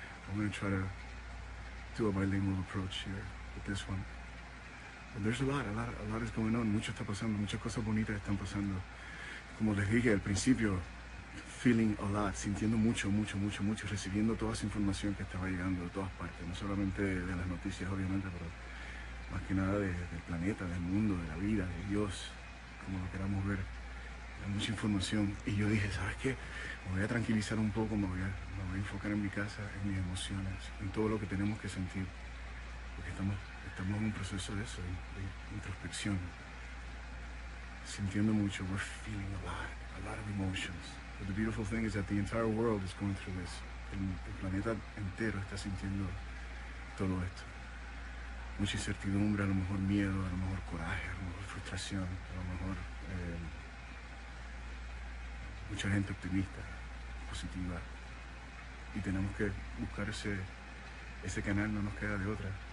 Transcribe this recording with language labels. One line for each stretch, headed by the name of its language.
English: I'm going to try to do a bilingual approach here with this one. But there's a lot is going on.
Spanish: Mucho está pasando, muchas cosas bonitas están pasando. Como les dije al principio,
English: feeling a lot,
Spanish: sintiendo mucho, recibiendo toda esa información que estaba llegando de todas partes, no solamente de las noticias, obviamente, pero más que nada del planeta, del mundo, de la vida, de Dios, como lo queramos ver. Mucha información, y yo dije, ¿sabes qué? Me voy a tranquilizar un poco, me voy a enfocar en mi casa, en mis emociones, en todo lo que tenemos que sentir, porque estamos en un proceso de eso, de introspección, sintiendo mucho.
English: We're feeling a lot of emotions, but the beautiful thing is that the entire world is going through this.
Spanish: El planeta entero está sintiendo todo esto. Mucha incertidumbre, a lo mejor miedo, a lo mejor coraje, a lo mejor frustración, a lo mejor mucha gente optimista, positiva, y tenemos que buscar ese canal, no nos queda de otra.